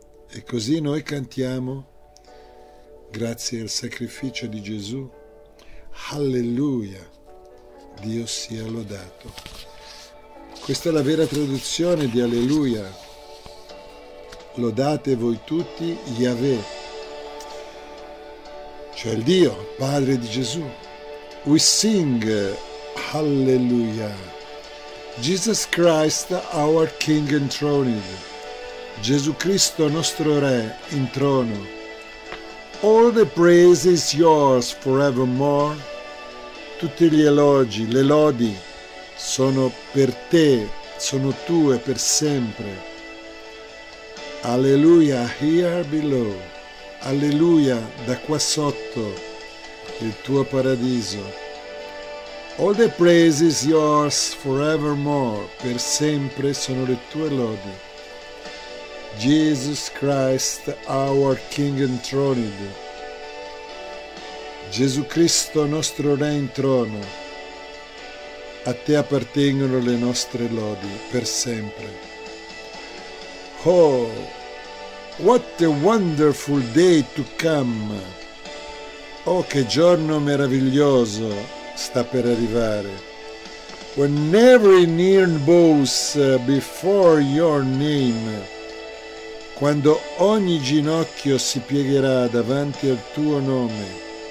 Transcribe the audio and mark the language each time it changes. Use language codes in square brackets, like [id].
[it] E così noi cantiamo, grazie al sacrificio di Gesù, alleluia, Dio sia lodato. Questa è la vera traduzione di alleluia. Lodate voi tutti Yahweh, cioè il Dio, Padre di Gesù. [en] We sing alleluia. Jesus Christ, our King enthroned. [it] Gesù Cristo, nostro Re, in trono. [en] All the praise is yours forevermore. [it] Tutti gli elogi, le lodi sono per te, sono tue per sempre. [en] Alleluia, here below. [it] Alleluia, da qua sotto, il tuo paradiso. [en] All the praise is yours forevermore. [it] Per sempre sono le tue lodi. [en] Jesus Christ, our King enthroned. [it] Gesù Cristo, nostro Re in trono, a te appartengono le nostre lodi per sempre. [en] Oh, what a wonderful day to come! [it] Oh, che giorno meraviglioso sta per arrivare! [en] When every knee bows before your name, [it] quando ogni ginocchio si piegherà davanti al tuo nome.